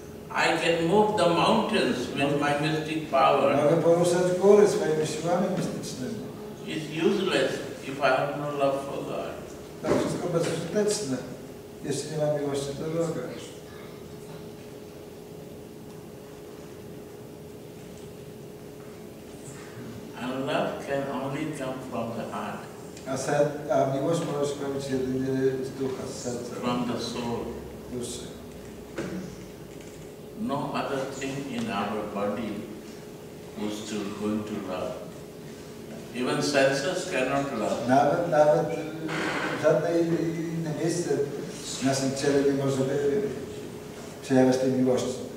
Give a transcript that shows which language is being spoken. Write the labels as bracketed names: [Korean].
[English] I can move the mountains with my mystic power. [Polish] Mogę poruszać góry swoimi siłami mistycznymi. [English] It's useless if I have no love for God. [Polish] To wszystko bezużyteczne, jeśli nie mam miłości do Boga. [English] And love can only come from the heart. [Polish] A miłość może się pojawić jedynie z ducha, z serca. [English] From the soul. [Polish] Duszy. [English] No other thing in our body is to going to love. Even senses cannot love. [Polish] Nawet żadne inne miejsce w naszym ciele nie może przejawiać tej miłości.